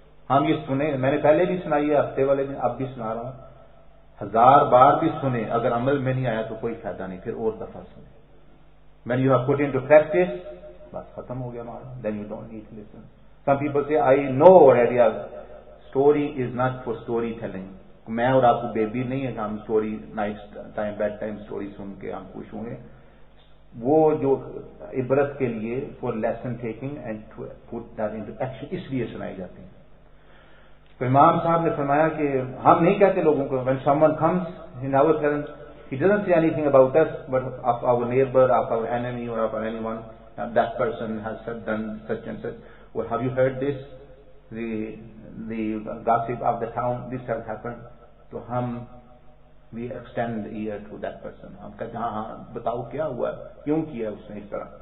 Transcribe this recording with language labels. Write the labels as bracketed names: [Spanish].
[Urdu] ہم یہ سنیں, میں نے پہلے بھی سنائی ہے ہفتے والے دن, اب بھی سنا رہا ہوں, ہزار بار بھی سنیں اگر عمل میں نہیں آیا تو کوئی فائدہ نہیں, پھر اور دفعہ سنیں. [English] When you have put into practice, [Urdu] بس ختم ہو گیا ہمارا, [English] then you don't need to listen. Some people say, I know already, story is not for story telling. [Urdu] میں اور آپ کو بیبی نہیں ہے کہ ہم story night time bed time story سن کے ہم خوش ہوں گے. وہ جو عبرت کے لیے [English] for lesson taking and to put that into action, [Urdu] اس لیے سنائی جاتی ہیں. تو امام صاحب نے فرمایا کہ ہم نہیں کہتے لوگوں کو, [English] when someone comes in our presence he doesn't say anything about us but of our neighbor, of our enemy or of anyone, that person has said, done such and such, well, have you heard this, the gossip of the town, this has happened, [Urdu] تو ہم [English] we extend ear to that person, [Urdu] ہم کہتے ہیں ہاں بتاؤ کیا ہوا, کیوں کیا اس نے اس طرح.